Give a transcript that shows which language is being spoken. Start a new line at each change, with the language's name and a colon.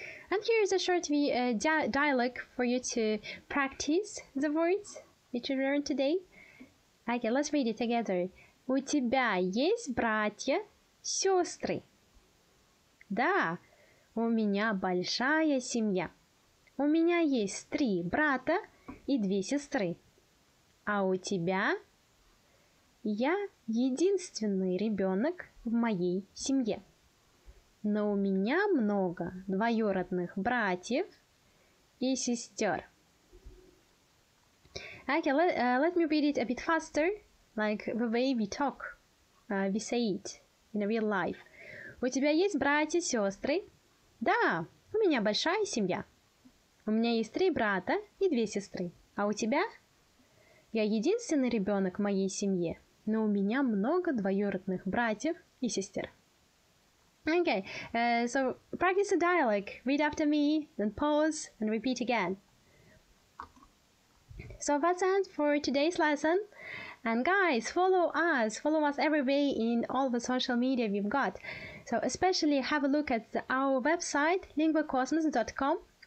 English: And here is a short dialogue for you to practice the words which you learned today. Okay, let's read it together.
Russian: У тебя есть братья, сестры? Да, у меня большая семья. У меня есть три брата и две сестры. А у тебя? Я единственный ребенок в моей семье. Но у меня много двоюродных братьев и сестер.
English: Okay, let me read it a bit faster, like the way we talk, we say it in a real life.
Russian: У тебя есть братья и сестры? Да, у меня большая семья. У меня есть три брата и две сестры. А у тебя? Я единственный ребенок в моей семье, но у меня много двоюродных братьев и сестер.
English: Okay, so practice the dialogue. Read after me, then pause and repeat again. So that's it for today's lesson. And guys, follow us every day in all the social media we've got. So especially have a look at our website, linguacosmos.com.